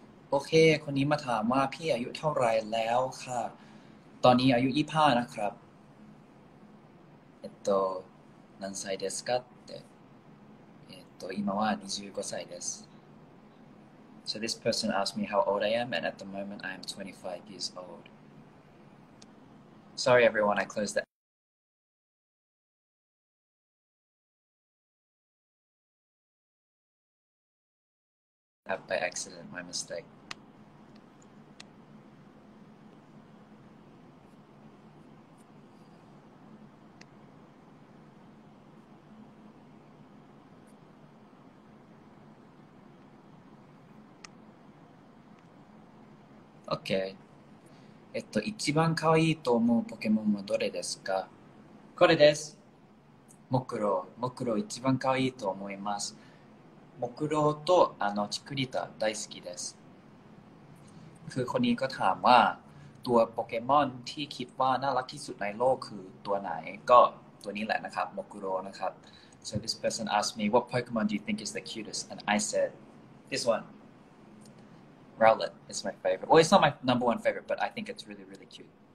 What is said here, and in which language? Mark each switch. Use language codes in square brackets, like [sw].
[th] โอเคคนนี้มาถามว่าพี่อายุเท่าไรแล้วค่ะตอนนี้อายุ25นะครับ [en] นันไซเดสกัตเต [ja] 今は25歳です [en] So this person asked me how old I am, and at the moment I am 25 years old. Sorry everyone, I closed the app by accident, my mistake. [ja] OK 一番可愛いと思うポケモンはどれですか？これです。木狼一番可愛いと思います。木狼とチクリータ大好きです。 [th] คือคนนี้ก็ถามว่าตัวโปเกมอนที่คิดว่าน่ารักที่สุดในโลกคือตัวไหนก็ตัวนี้แหละนะครับ Mokuro นะครับ [en] So this person asked me what Pokemon do you think is the cutest and I said this oneRowlet is my favorite. Well, it's not my number one favorite, but I think it's really, really cute.